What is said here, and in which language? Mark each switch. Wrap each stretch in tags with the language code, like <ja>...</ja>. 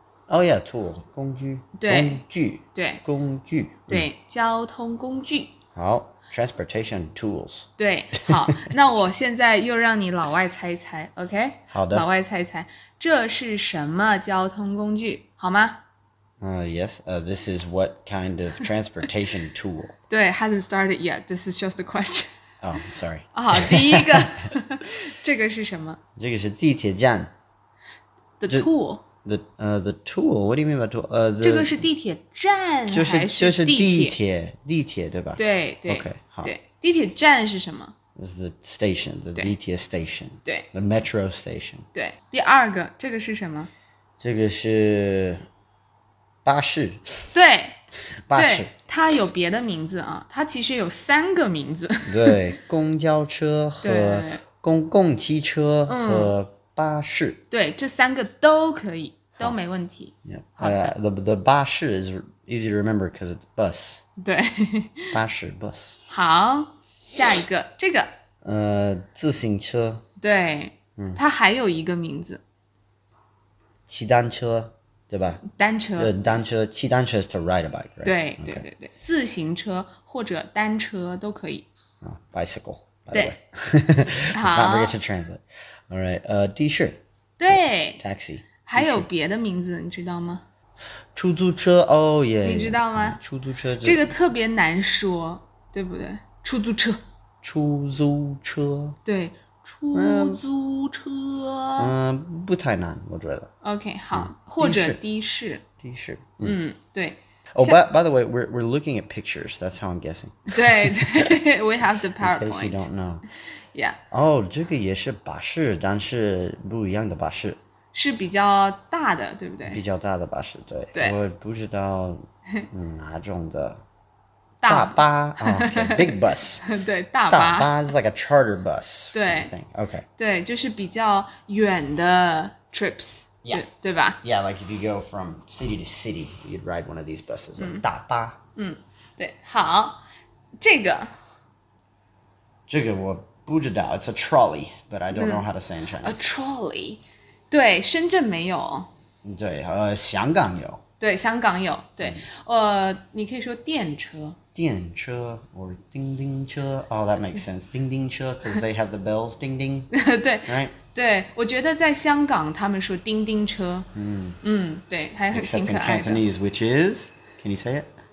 <en>Oh yeah, tool,</en> <zh>工具对工具对工具对、交通工具好</zh> <en>transportation tools</en> <zh>对好那我现在又让你老外猜一猜</zh> <en>OK</en> <zh>好的老外猜一猜这是什么交通工具好吗</zh> <en>Yes, this is what kind of transportation tool</en> <zh>对</zh> <en>hasn't started yet, this is just a question Oh, sorry</en> <zh>好第一个这个是什么这个是地铁站</zh> <en>The tool The tool, what do you mean by tool?</en> <zh>这个是地铁站还是地铁？就是地铁对吧？对对。</zh> <en>OK,</en> <zh>好。地铁站是什么？</zh> <en>It's the station, the 地铁 station.</en> <zh>对。</zh> <en>The metro station.</en> <zh>对。第二个，这个是什么？这个是巴士。对。巴士。对，它有别的名字啊，它其实有三个名字。对，公交车和公共汽车和巴士对这三个都可以都没问题</zh> <en>The 巴士 is easy to remember because it's bus</en> <zh>对巴士 bus 好下一个这个自行车对、嗯、它还有一个名字骑单车对吧单车单车骑单车</zh> <en>is to ride a bike、right?</en> <zh>对对对对、 okay. 自行车或者单车都可以、</zh> <en>bicycle by the way let's not forget to translate All right, T-shirt.</en> <zh>对</zh> <en>Taxi.</en> <zh>还有别的名字你知道吗出租车哦耶、</zh> <en>oh, yeah, yeah,</en> <zh>你知道吗出租车这个特别难说对不对出租车。出租车。对出租车。不太难我觉得。</zh> <en>OK,</en> <zh>好、或者的士。的士。对。</zh> <en>Oh, by the way, we're looking at pictures. That's how I'm guessing.</en> <zh>对, 对</zh> <en>we have the PowerPoint. In case you don't know. Yeah.</en> <zh>Oh, 这个也是巴士,但是不一样的巴士。是比较大的,对不对? 比较大的巴士,对。对。我不知道哪种的。大</zh> <en>巴。Oh, okay, big bus.</en> <zh>对,大巴。</zh> <en>大巴 is like a charter bus.</en> <zh>对。</zh> <en>Okay.</en> <zh>对,就是比较远的</zh> <en>trips。 Yeah.</en> <zh>对吧?</zh> <en>Yeah, like if you go from city to city, you'd ride one of these buses.</en> <zh>大巴。对,好,这个。这个我不知道,</zh> <en>it's a trolley, but I don't know how to say in Chinese. A trolley?</en> <zh>对,深圳没有。对,香港有。对,香港有,对。你可以说电车。</zh> <en>电车 or 叮叮车 Oh, that makes sense. 叮叮车 because they have the bells, 叮叮。</en> <zh>对。</zh> <en>Right?</en> <zh>对，我觉得在香港他们说叮叮车，对，还挺可爱的。</zh> <en>Except in Cantonese, which is, can you say it?</en>